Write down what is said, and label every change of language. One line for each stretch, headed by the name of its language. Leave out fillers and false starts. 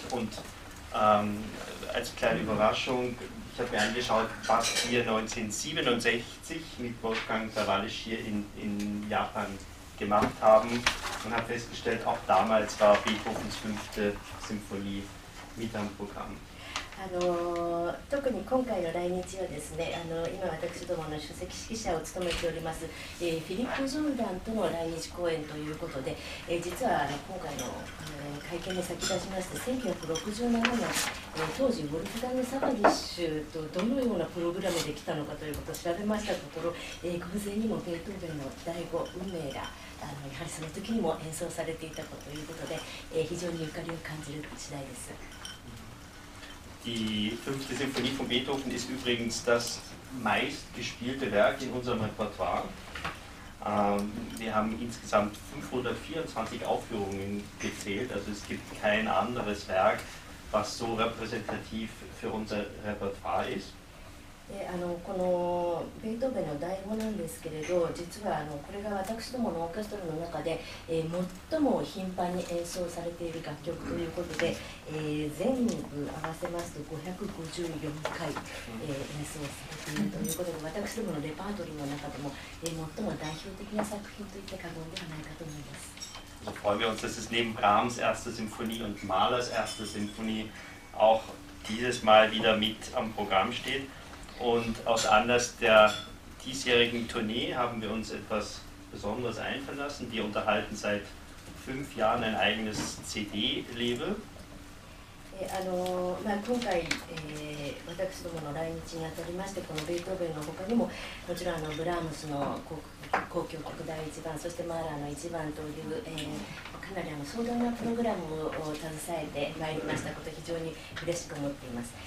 German: Und als kleine Überraschung, ich habe mir angeschaut, was wir 1967 mit Wolfgang Tawalisch hier in Japan gemacht haben, und habe festgestellt, auch damals war Beethovens 5. Symphonie mit am Programm.
Japanese: 特に今回の来日はですね、今私どもの首席指揮者を務めております、フィリップ・ジョーダンとの来日公演ということで、実は今回の、会見に先立ちまして、1967年、当時ウォルフガング・サバディッシュとどのようなプログラムで来たのかということを調べましたところ、偶然にもベートーヴェンの第5運命がやはりその時にも演奏されていたということで、非常にゆかりを感じる次第です。
German: Die 5. Symphonie von Beethoven ist übrigens das meistgespielte Werk in unserem Repertoire. Wir haben insgesamt 524 Aufführungen gezählt, also es gibt kein anderes Werk, was so repräsentativ für unser Repertoire ist.
Japanese: このベートーベンの第5なんですけれど、実はこれが私どものオーケストラの中で、最も頻繁に演奏されている楽曲ということで、全部合わせますと554回、演奏されているということで、私どものレパートリーの中でも、最も代表的な作品といって過言ではないかと思います。
German: So freuen wir uns, dass es neben Brahms erste Symphonie und Mahlers erste Symphonie auch dieses Mal wieder mit am Programm steht. Und aus Anlass der diesjährigen Tournee haben wir uns etwas Besonderes einfallen lassen. Wir unterhalten seit 5 Jahren ein eigenes CD-Label.
Japanese: 今回、私どもの来日にあたりまして、このベートーベンのほかにも、もちろんブラームスの交響曲第1番、そしてマーラーの1番という、かなり壮大なプログラムを携えてまいりましたこと、非常に嬉しく思っています。